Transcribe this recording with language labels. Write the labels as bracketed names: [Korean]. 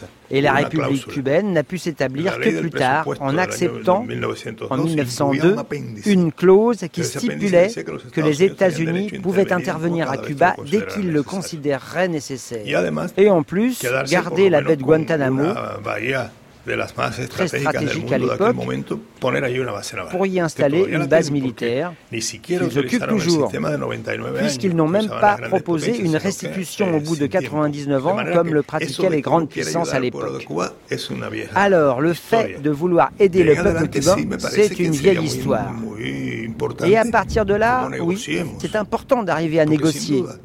[French] Et la République cubaine n'a pu s'établir que plus tard en acceptant, en 1902, une clause qui stipulait que les États-Unis pouvaient intervenir à Cuba dès qu'ils le considéreraient nécessaire. Et en plus, garder la baie de Guantanamo, [Spanish] de las más estratégicas del mundo en aquel momento, poner ahí una base naval. [French] Pour y installer une base militaire, [Spanish] ni siquiera utilizaron el sistema de 99 años. [French] Puisqu'ils n'ont même pas proposé une restitution au bout de 99 ans, comme le pratiquaient les grandes puissances à l'époque. Alors, le fait de vouloir aider le peuple cubain, c'est une vieille histoire. Et à partir de là, oui, c'est important d'arriver à négocier.